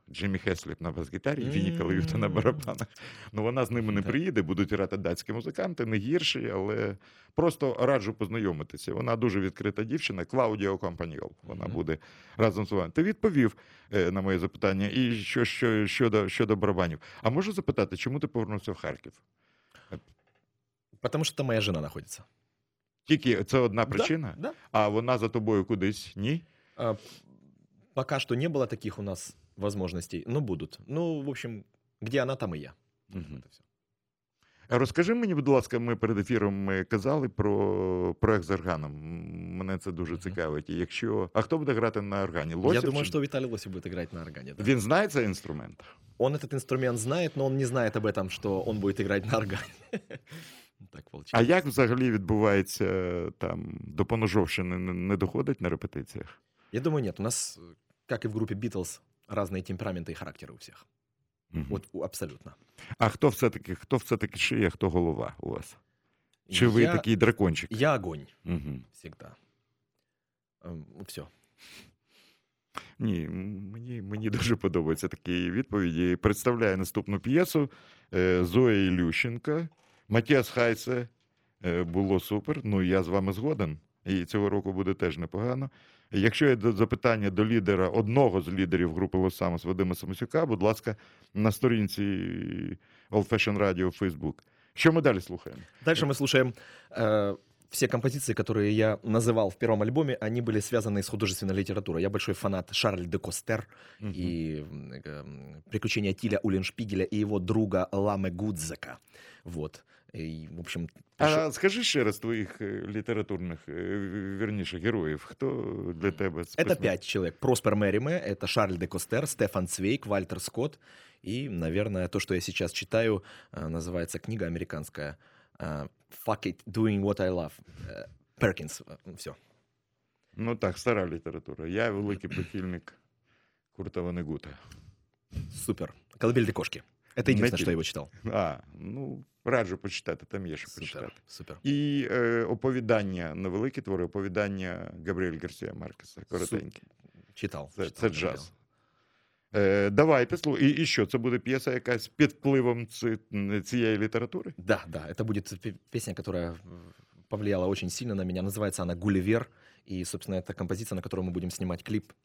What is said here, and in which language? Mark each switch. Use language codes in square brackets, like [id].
[uk] Джиммі Хесліп на бас-гітарі, Віні Калаюта на барабанах. Ну, вона з ними не приїде, будуть грати датські музиканти, не гірші, але просто раджу познайомитися. Вона дуже відкрита дівчина, Клаудіо Кампаньол. Вона буде разом з вами. Ти відповів на моє запитання, і щодо барабанів. А можу запитати, чому ти повернувся в Харків? [ru] Потому что там моя жена находится. [uk] Тільки це одна причина? [ru] Да, да. [uk] А вона за тобою кудись? Ні? [ru] Пока что не было таких у нас возможностей, но будут. Ну, в общем, где она, там и я. Угу. Это все. [uk] Розкажи мені, будь ласка, ми перед ефіром ми казали про проект з органом. Мене це дуже цікавить. Якщо... А хто буде грати на органі? Лосів? Я думаю, що Віталій Лосів буде грати на органі. [ru] Да. [uk] Він знає цей інструмент? [ru] Он этот инструмент знает, но он не знает об этом, что он будет играть на органе. Так получается. [uk] А як взагалі відбувається там, до поножовщини не доходить на репетиціях? [ru] Я думаю, нет. У нас, как и в группе Beatles, разные темпераменты и характеры у всех. Угу. Вот абсолютно. А кто все-таки шия, кто голова у вас? [uk] Чи ви такий дракончик? [ru] Я огонь. Угу. Всегда. Все. [uk] Ні, мені дуже подобаються такі відповіді. Представляю наступну п'єсу Зоя Ілющенка, Матіас Хайце. Було супер, ну я з вами згоден. І цього року буде теж непогано. Якщо є запитання до лідера, одного з лідерів групи Los Samus Вадима Самосюка, будь ласка, на сторінці Old Fashion Radio в Facebook. Що ми далі слухаємо? Далі ми слухаємо... [ru] Все композиции, которые я называл в первом альбоме, они были связаны с художественной литературой. Я большой фанат Шарль де Костер и приключения Тиля Уллиншпигеля и его друга Ламе Гудзека. Вот. И, в общем, скажи еще раз твоих литературных, вернее, героев. Кто для тебя? Спасибо. Это 5 человек. Проспер Мериме, это Шарль де Костер, Стефан Цвейк, Вальтер Скотт. И, наверное, то, что я сейчас читаю, называется книга американская. [en] «Fuck it, doing what I love». Перкінс. [ru] Все. [uk] Ну так, стара література. Я великий прихильник Курта Ванегута. [ru] Супер. «Колыбель для кошки». Это единственное, что я его читал. [uk] А, ну, раджу почитати, там є що почитати. Супер. І оповідання, невеликі твори, оповідання Габріель Гарсія Маркеса, коротенькі. Читав. Це джаз. Давайте, і що, це буде п'єса якась під впливом цієї літератури? [ru] Да, да, это будет песня, которая повлияла очень сильно на меня. Называется она «Гулливер», и, собственно, это композиция, на которую мы будем снимать клип.